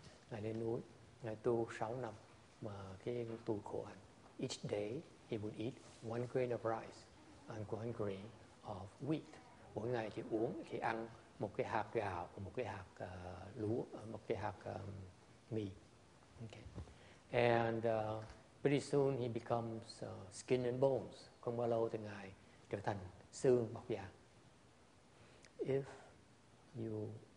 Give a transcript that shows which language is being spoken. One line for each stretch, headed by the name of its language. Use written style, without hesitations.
Vietnamese: Ngài lên núi, ngài tu 6 năm mà cái tu khổ hạnh.
English: Each day he would eat one grain of rice. And one grain of wheat.
Vietnamese: Mỗi ngày chỉ uống, chỉ ăn một cái hạt gạo, một cái hạt lúa, một cái hạt mì.
English: Okay. And pretty soon he becomes skin and bones.
Vietnamese: Không bao lâu thì ngài trở thành xương bọc da. If you